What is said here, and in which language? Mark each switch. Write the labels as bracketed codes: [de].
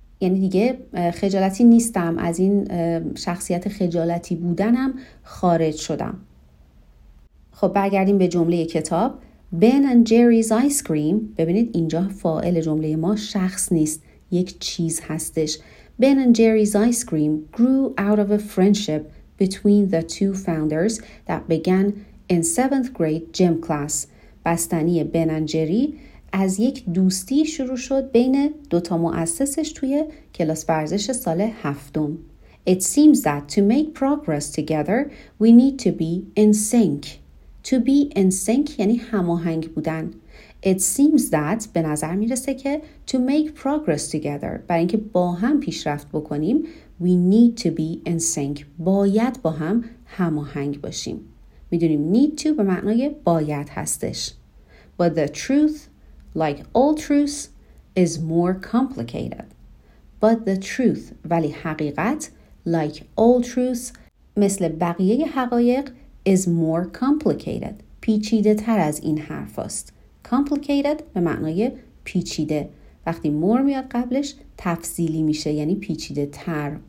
[fa] یعنی دیگه خجالتی نیستم، از این شخصیت خجالتی بودنم خارج شدم. خب برگردیم به جمله کتاب. Ben and Jerry's ice cream. ببینید اینجا فاعل جمله ما شخص نیست، یک چیز هستش. [en] Ben and Jerry's ice cream grew out of a friendship between the two founders that began in seventh grade gym class. [fa] بستنی Ben and Jerry از یک دوستی شروع شد بین دوتا مؤسسش توی کلاس ورزش سال هفتم. [en] It seems that to make progress together, we need to be in sync. To be in sync [fa] یعنی هماهنگ بودن. [en] It seems that [fa] به نظر میرسه که [en] to make progress together، [fa] برای اینکه با هم پیشرفت بکنیم، [en] we need to be in sync، [fa] باید با هم هماهنگ باشیم. میدونیم need to به معنای باید هستش. [en] But the truth, like all truths, is more complicated. But the truth، [fa] ولی حقیقت، [en] like all truths، [fa] مثل بقیه حقایق، [en] is more complicated، [fa] پیچیده تر از این حرف است. Complicated به معنای پیچیده. وقتی more میاد قبلش تفصیلی میشه، یعنی پیچیده تر.